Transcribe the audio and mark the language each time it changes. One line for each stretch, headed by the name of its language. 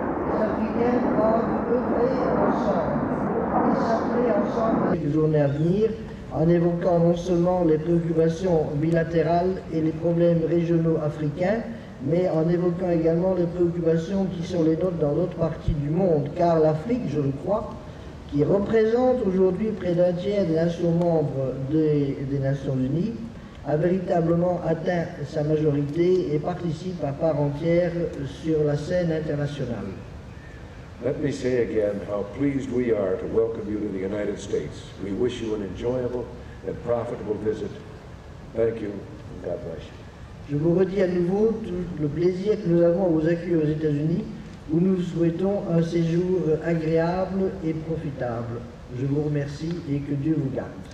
French: Les Africains doivent œuvrer ensemble et s'appeler ensemble à la journée à venir en évoquant non seulement les préoccupations bilatérales et les problèmes régionaux africains, mais en évoquant également les préoccupations qui sont les nôtres dans d'autres parties du monde, car l'Afrique, je le crois, qui représente aujourd'hui près d'un tiers des nations membres des Nations Unies, a véritablement atteint sa majorité et participe à part entière sur la scène internationale.
English: Let me say again how pleased we are to welcome you to the United States. We wish you an enjoyable and profitable visit. Thank you and God bless you.
French: Je vous redis à nouveau tout le plaisir que nous avons à vous accueillir aux États-Unis, où nous souhaitons un séjour agréable et profitable. Je vous remercie et que Dieu vous garde.